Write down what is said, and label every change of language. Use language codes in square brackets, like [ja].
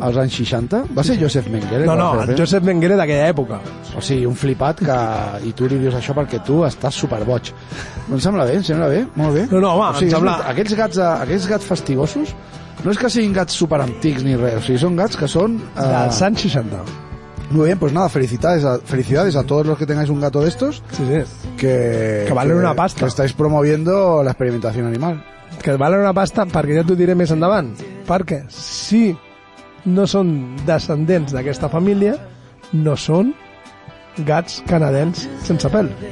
[ca] Als anys 60. Va ser Josef Mengele? No, Josef Mengele d'aquella època. O sigui, un flipat que... I tu li dius això perquè tu estàs superboig. Em sembla bé, molt bé. No, home, o sigui, em sembla... Aquests gats fastigosos no és que siguin gats superantics ni res. O sigui, són gats que són... Dels anys 60. [es] Muy bien, pues nada, felicidades a todos los que tengáis un gato de estos. Sí, sí. Que valen una pasta. Que estáis promoviendo la experimentación animal. Que valen una pasta, [ca] perquè ja t'ho diré més endavant. Perquè si no són descendents d'aquesta família, no són gats canadens sense pèl.